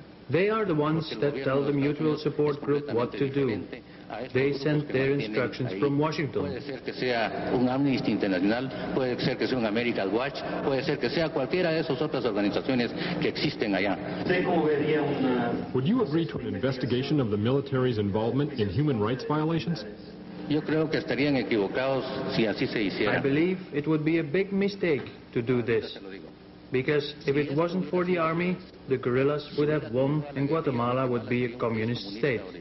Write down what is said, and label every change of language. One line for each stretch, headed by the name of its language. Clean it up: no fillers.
English: They are the ones that tell the Mutual Support Group what to do. They sent their instructions from Washington.
Spanish: Amnesty International, puede ser que sea un America's Watch, puede ser que sea cualquiera de esas otras organizaciones que existen allá.
English: Would you agree to an investigation of the military's involvement in human rights violations?
Spanish: Yo creo que estarían equivocados si así se hiciera.
English: I believe it would be a big mistake to do this. Because if it wasn't for the army, the guerrillas would have won and Guatemala would be a communist state.